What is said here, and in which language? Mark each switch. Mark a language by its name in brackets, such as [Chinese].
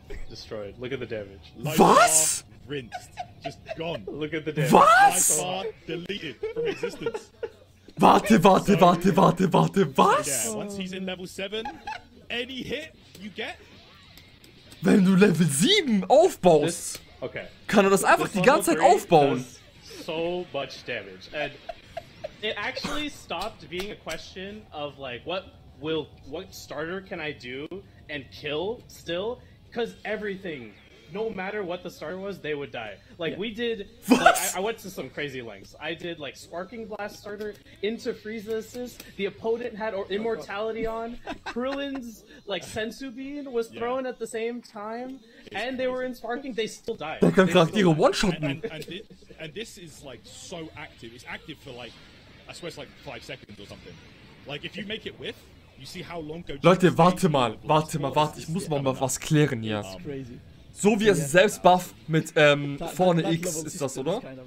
[English] Destroyed. Look at the damage. Life was? Rinsed. Just gone. Look at the damage. [German] Was? [English] Deleted from existence. [German] Warte, was? [English] Yeah, once he's in level 7, any hit you get. [German] Wenn du Level 7 aufbaust, okay. Kann er das einfach die ganze Zeit aufbauen. [English] So much damage. And it actually stopped being a question of like, what starter can I do and kill still? Because everything, no matter what the starter was, they would die. Like, yeah. We did... What? Like, I went to some crazy lengths. I did, like, Sparking Blast starter into Freeze Assist. The opponent had Immortality on. Krillin's, like, Sensu Bean was thrown at the same time. It's and crazy. They were in Sparking. They still died. They can still one-shot me. And this is, like, so active. It's active for, like, I swear it's, like, 5 seconds or something. Like, if you make it with, you see how long... [German] Leute, warte mal. Ich muss mal was klären hier. [English] It's crazy. [German] So wie er sich selbst bufft mit vorne X ist das, oder?